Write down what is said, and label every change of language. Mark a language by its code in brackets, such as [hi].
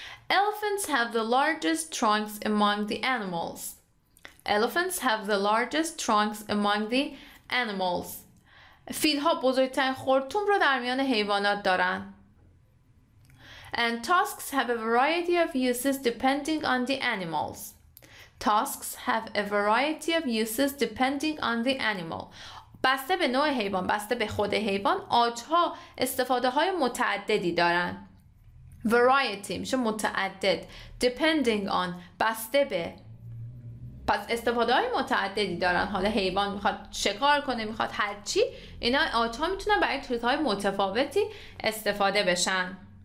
[en] Elephants have the largest trunks among the animals. Elephants have the largest trunks among the animals. [fa] فیل ها بزرگترین خورتوم رو در میان حیوانات دارن. [en] And tusks have a variety of uses depending on the animals. Tusks have a variety of uses depending on the animal. [fa] بسته به نوع حیوان، بسته به خود حیوان، آجها استفاده های متعددی دارن. Variety میشه متعدد. [en] Depending on، [fa] بسته به. پس استفاده های متعددی دارن. حالا حیوان میخواد شکار کنه، میخواد هرچی، اینا آجها میتونن برای چیزهای متفاوتی استفاده بشن.